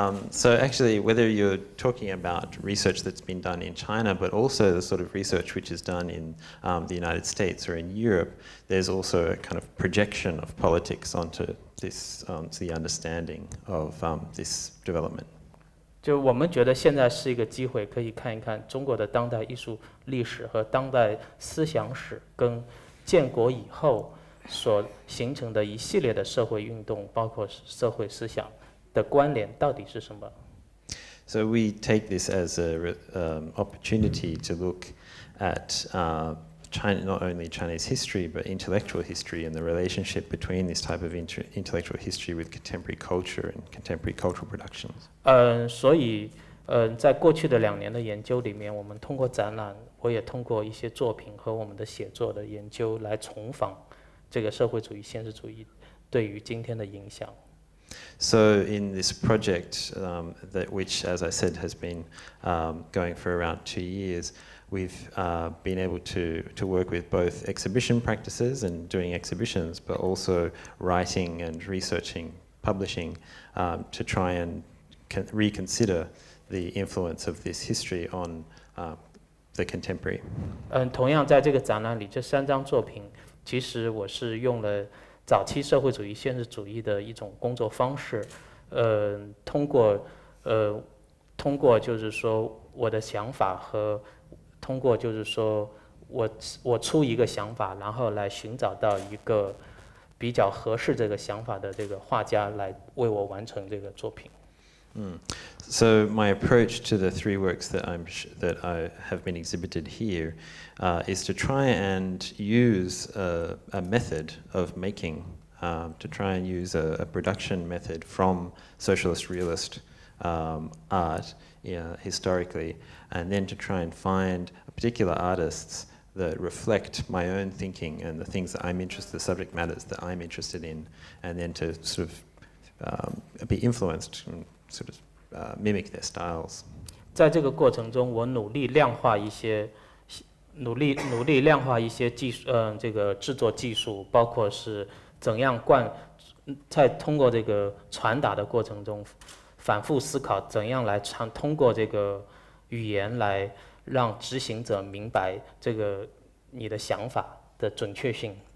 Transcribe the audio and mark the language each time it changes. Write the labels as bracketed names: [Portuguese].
[English] So actually, whether you're talking about research that's been done in China, but also the sort of research which is done in the United States or in Europe, there's also a kind of projection of politics onto this, to the understanding of this development. [Chinese] 就我们觉得现在是一个机会，可以看一看中国的当代艺术历史和当代思想史跟建国以后所形成的一系列的社会运动，包括社会思想的关联到底是什么。 [English] So we take this as an opportunity to look at China, not only Chinese history, but intellectual history and the relationship between this type of intellectual history with contemporary culture and contemporary cultural productions. [Chinese] 所以在过去的两年的研究里面，我们通过展览，我也通过一些作品和我们的写作的研究来重访这个社会主义现实主义对于今天的影响。 [English] So in this project, which, as I said, has been going for around 2 years, we've been able to work with both exhibition practices and doing exhibitions, but also writing and researching, publishing, to try and reconsider the influence of this history on the contemporary. [Chinese] 同样在这个展览里，这三张作品，其实我是用了早期社会主义现实主义的一种工作方式，通过就是说我的想法和通过就是说我出一个想法，然后来寻找到一个比较合适这个想法的这个画家来为我完成这个作品。 [English] So my approach to the three works that I have been exhibited here is to try and use a method of making, to try and use a production method from socialist realist art historically, and then to try and find particular artists that reflect my own thinking and the things that I'm interested, the subject matters that I'm interested in, and then to sort of be influenced sort of mimic their styles. [Chinese] 在这个过程中，我努力量化一些技术，这个制作技术，包括是怎样贯，在通过这个传达的过程中，反复思考怎样来通过这个语言来让执行者明白这个你的想法的准确性。